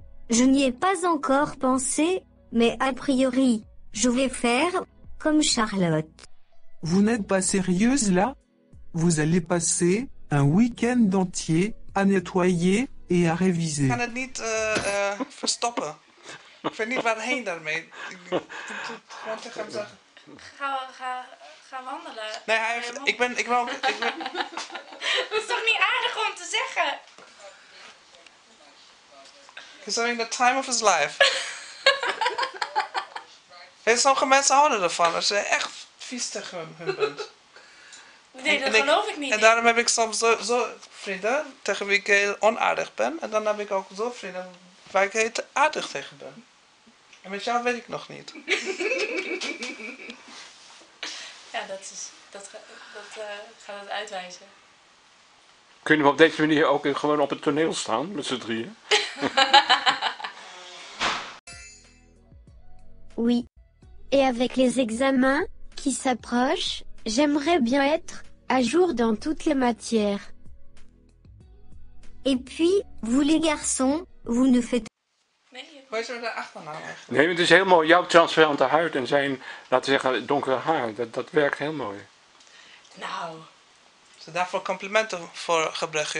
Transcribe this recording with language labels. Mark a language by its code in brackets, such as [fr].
[fr] Je n'y ai pas encore pensé, mais a priori, je vais faire comme Charlotte. Vous n'êtes pas sérieuse là? Vous allez passer un week-end entier à nettoyer et à réviser. Je ne peux pas [nl] verstoppen. [fr] Je ne sais pas [nl] waarheen daarmee. Ik moet tegen hem zeggen. Ga wandelen. Nee, ik wil. Dat is toch niet aardig om te zeggen? [en] He's having the time of his life. [nl] Sommige mensen houden ervan als ze echt vies tegen hun bent. Nee, dat geloof ik niet. En daarom heb ik soms zo vrienden tegen wie ik heel onaardig ben. En dan heb ik ook zo vrienden waar ik heel aardig tegen ben. En met jou weet ik nog niet. Ja, dat gaat het uitwijzen. Kunnen we op deze manier ook gewoon op het toneel staan met z'n drieën? [fr] Oui. Et avec les examens qui s'approchent, j'aimerais bien être à jour dans toutes les matières. Et puis, vous les garçons, vous ne faites pas... [nl] Hoe is er de achternaam eigenlijk? Nee, het is heel mooi. Jouw transparante huid en zijn, laten we zeggen, donkere haar, dat werkt heel mooi. Nou. Is er daarvoor complimenten voor gebruiken?